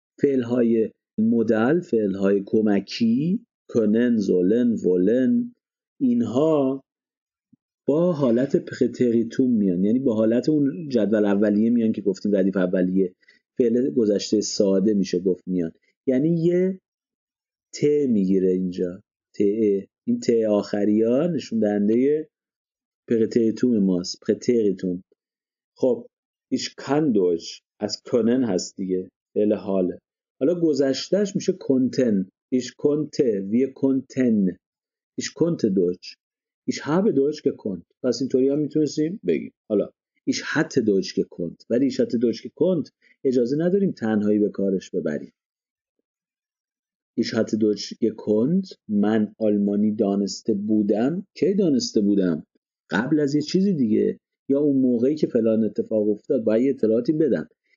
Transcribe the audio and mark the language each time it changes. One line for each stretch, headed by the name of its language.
Persian: فعل های مدل، فعل های کمکی،
German: können، sollen، wollen،
Persian: اینها با حالت پرتریتوم میان، یعنی با حالت اون جدول اولیه میان که گفتیم ردیف اولیه، فعل گذشته ساده میشه گفت میان، یعنی یه ت میگیره اینجا، ت، این ت آخری ها نشون دهنده پرتریتوم ماست، پرتریتوم. خب
German: ich kann deutsch
Persian: از können هست دیگه، فعل حاله، حالا گذشتهش میشه
German: konnten، ich konnte، wir konnten، ich konnte deutsch، ich habe deutsch gekonnt.
Persian: پس اینطوری هم میتونستیم بگیم، حالا
German: ich hatte deutsch gekonnt،
Persian: ولی ich hatte deutsch gekonnt اجازه نداریم تنهایی به کارش ببریم.
German: ich hatte deutsch gekonnt،
Persian: من آلمانی دانسته بودم، کی دانسته بودم؟ قبل از یه چیزی دیگه، یا اون موقعی که فلان اتفاق افتاد باید یه اطلاعاتی بدم.